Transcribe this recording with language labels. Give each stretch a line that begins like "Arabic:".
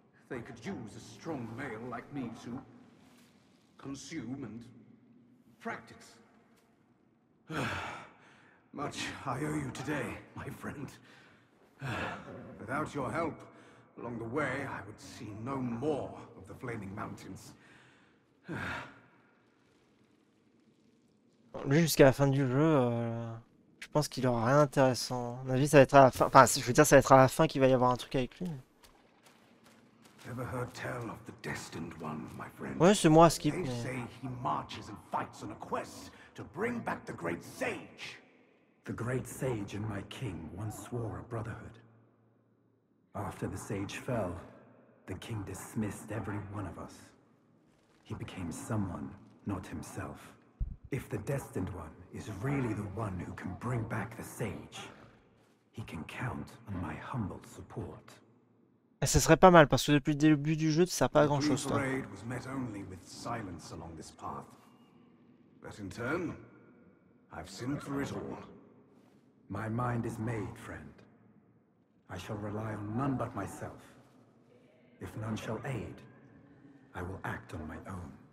English: They could use a strong male like me to consume and practice. Much I owe you today, my friend. Without your help, along the way, I would see no more of the Flaming Mountains.
French: Lui, jusqu'à la fin du jeu, je pense qu'il aura rien d'intéressant. À mon avis, ça va être à la fin. Enfin, je veux dire, ça va être à la fin qu'il va y avoir un truc avec lui.
English: Ever heard tell of the destined one, my friend?
French: Ouais, c'est moi, Skip.
English: They say he marches and fights on a quest to bring back the great sage. The great sage and my king once swore a brotherhood. After the sage fell, the king dismissed every one of us. He became someone, not himself. If the destined one is really the one who can bring back the sage, he can count on my humble support.
French: Et ce serait pas mal, parce que depuis le début du jeu, tu sers pas à grand chose, toi.
English: Raid was met only with silence along this path. But in turn, I've seen through it all. My mind is made, friend. I shall rely on none but myself. If none shall aid, I will act on my own.